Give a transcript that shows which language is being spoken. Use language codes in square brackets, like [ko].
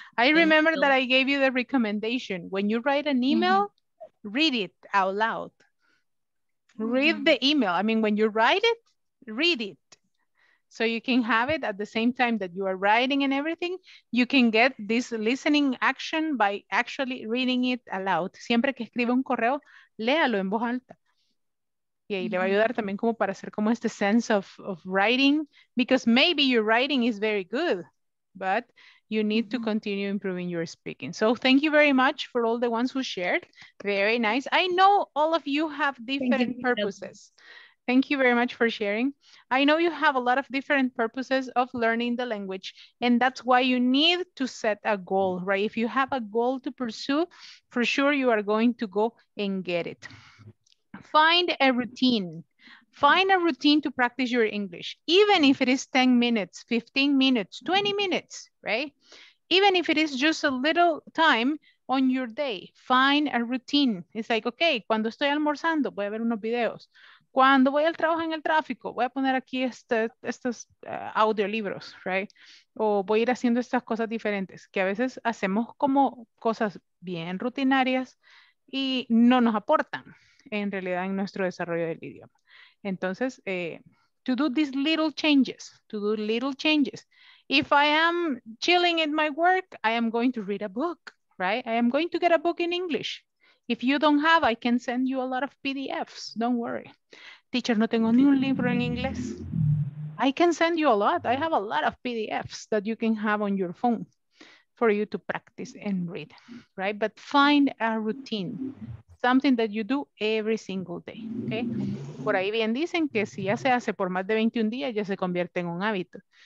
[en] I remember that I gave you the recommendation. When you write an email, mm-hmm. read it out loud. Read the email. I mean, when you write it, read it. So you can have it at the same time that you are writing and everything. You can get this listening action by actually reading it aloud. [es] Siempre que escriba un correo, léalo en voz alta. Y ahí le va a ayudar también como para hacer como este [en] sense of writing. Because maybe your writing is very good, but you need to continue improving your speaking. So thank you very much for all the ones who shared. Very nice. I know all of you have different purposes. Thank you very much for sharing. I know you have a lot of different purposes of learning the language, and that's why you need to set a goal, right? If you have a goal to pursue, for sure you are going to go and get it. Find a routine. Find a routine to practice your English, even if it is 10 minutes, 15 minutes, 20 minutes, right? Even if it is just a little time on your day, find a routine. It's like, okay, [es] cuando estoy almorzando, voy a ver unos videos. Cuando voy al trabajo en el tráfico, voy a poner aquí estos audiolibros, right? O voy a ir haciendo estas cosas diferentes, que a veces hacemos como cosas bien rutinarias y no nos aportan en realidad en nuestro desarrollo del idioma. [en] Entonces, to do these little changes, to do little changes. If I am chilling in my work, I am going to read a book, right? I am going to get a book in English. If you don't have, I can send you a lot of PDFs. Don't worry. [es] Teacher, no tengo ni un libro en inglés. [en] I can send you a lot. I have a lot of PDFs that you can have on your phone for you to practice and read, right? But find a routine. Something that you do every single day, okay? [es] Por ahí bien dicen que si ya se hace por más de 21 días, ya se convierte en un hábito.